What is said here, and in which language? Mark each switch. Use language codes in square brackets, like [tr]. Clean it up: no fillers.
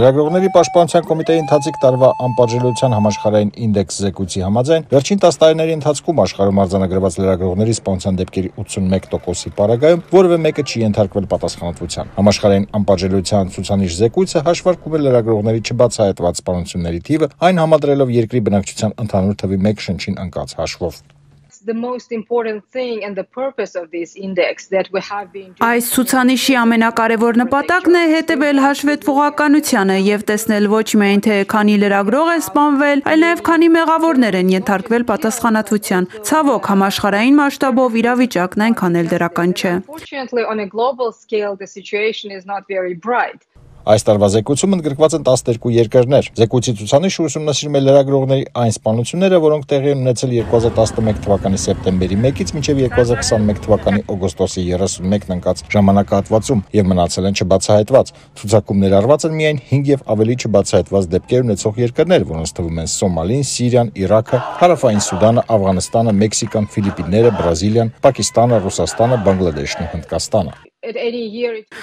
[hy] Լրագրողների պաշտպանության կոմիտեի ընթացիկ տարվա անպարժելության համաշխարհային ինդեքս զեկույցի համաձայն, վերջին 10 տարիների ընթացքում աշխարհում արձանագրված լրագրողների սպանության դեպքերի 81%-ի պարագայում որևէ մեկը չի ենթարկվել պատասխանատվության։ Համաշխարհային անպարժելության ցուցանիշ զեկույցը հաշվարկում է լրագրողների չբացահայտված սպանությունների թիվը, այն համադրելով երկրի բնակչության ընդհանուր թվի 1 շնչին անկած հաշվով։ [en] The most important thing and the purpose of this index that we have been doing. [hy] Այս ցուցանիշի ամենակարևոր նպատակն է հետևել հաշվետվողականությանը եւ տեսնել ոչ միայն թե քանի լրագրող է սպանվել, այլ նաեւ քանի մեղավորներ են ենթարկվել պատասխանատվության։ Ցավոք, համաշխարհային մասշտաբով իրավիճակն այնքան էլ դրական չէ։ [en] Fortunately, on a global scale, the situation is not very bright. [hy] Այս տարվա զեկույցում ընդգրկված են 12 երկրներ։ Զեկույցի ցուցանիշը ուսումնասիրում է լրագրողների այն սպանությունները, որոնք տեղի են ունեցել 2011 թվականի սեպտեմբերի 1-ից մինչև 2021 թվականի օգոստոսի 31-ն ընկած ժամանակահատվածում և մնացել են չբացահայտված։ Ցուցակումներ արված են միայն 5 և ավելի չբացահայտված դեպքեր ունեցող երկրներ, որոնց թվում են Սոմալին, Սիրիան, Իրաքը, Հարավային Սուդանը, Աֆղանստանը, Մեքսիկան, Ֆիլիպինները, Բրազիլիան, Պակիստանը, Ռուսաստանը, Բանգլադեշն ու Հնդկաստանը։